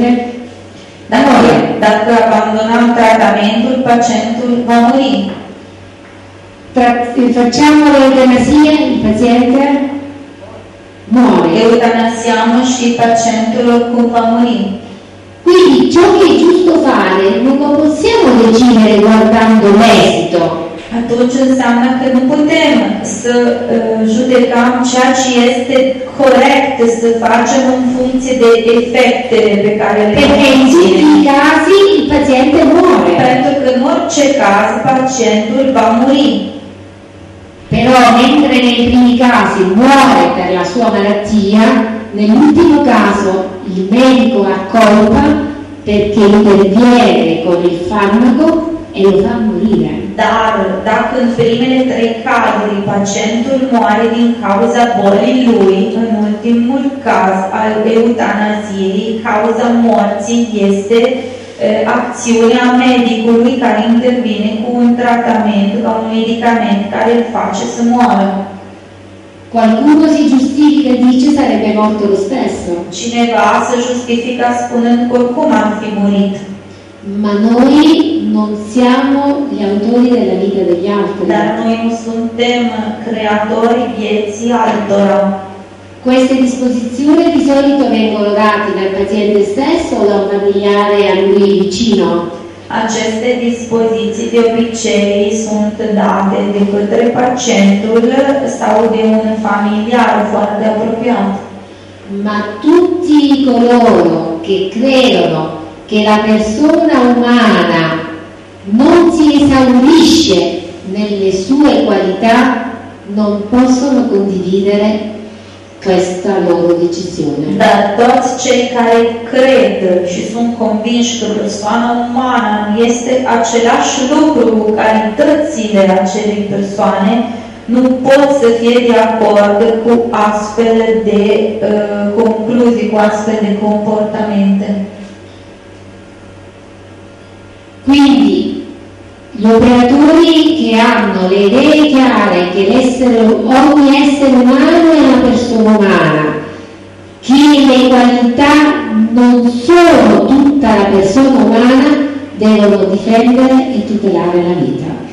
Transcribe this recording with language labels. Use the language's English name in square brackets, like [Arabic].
[Italian] muore. [Romanian] Dacă abbandonăm tratamentul, pacientul va muri. [Italian] Facciamo l'eutanasia, il paziente muore. [Romanian] Eutanasiamo și pacientul oricum va muri. [Italian] Quindi ciò che è giusto fare non lo possiamo decidere guardando l'esito. [Romanian] Atunci înseamnă că nu putem să judecăm ceea ce este corect să facem în funcție de efectele pe care le avem. [Italian] Perché in tutti i casi il paziente muore. [Romanian] Pentru că în orice caz pacientul va muri. [Italian] Però mentre nei primi casi muore per la sua malattia, nell'ultimo caso il medico ha colpa perché interviene con il farmaco e lo fa morire. [Romanian] Dar, dacă în primele trei cazuri pacientul [Italian] muore [Romanian] din cauza bolii lui, în ultimul caz al eutanasiei, cauza morții este acțiunea medicului care intervine cu un tratament sau un medicament care îl face să moară. [Italian] Qualcuno si giustifica dice sarebbe morto lo stesso. [Romanian] Cineva se justifica spunând că oricum ar fi murit. [Italian] Ma noi non siamo gli autori della vita degli altri. [Romanian] Dar noi nu suntem creatori vieții altora. [Italian] Queste disposizioni di solito vengono date dal paziente stesso o da un familiare a lui vicino? [Romanian] Aceste dispoziții de obicei sunt date de către pacientul sau de un familiar foarte apropiat. [Italian] Ma tutti coloro che credono che la persona umana non si esaurisce nelle sue qualità non possono condividere questa loro decisione. [Romanian] Dar toți cei care cred și sunt convinși că persoana umană este același lucru cu calitățile acelei persoane, [Italian] non può essere di accordo con aspetti de conclusi con aspetti de comportamento. Quindi gli operatori che hanno le idee chiare che l'essere, ogni essere umano è una persona umana, che le qualità non sono tutta la persona umana, devono difendere e tutelare la vita.